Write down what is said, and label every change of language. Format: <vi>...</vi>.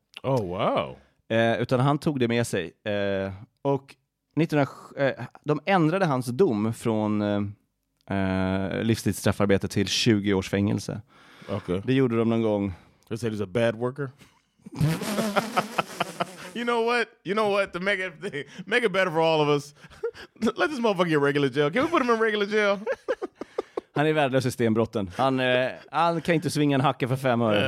<en>Oh wow.</en> <sv>Utan han tog det med sig. Och de ändrade hans dom från livstidsstraffarbete till 20 års fängelse.</sv> <en>Okay.</en> <sv>Det gjorde de någon gång.</sv> <en>They said he's a bad worker. You know what? You know what? To make it better for all of us, let this motherfucker get regular jail. Can we put him in regular jail?</en> <sv>Han är värdelös i stenbrotten. Han kan inte svinga en hacka för 5 år.</sv>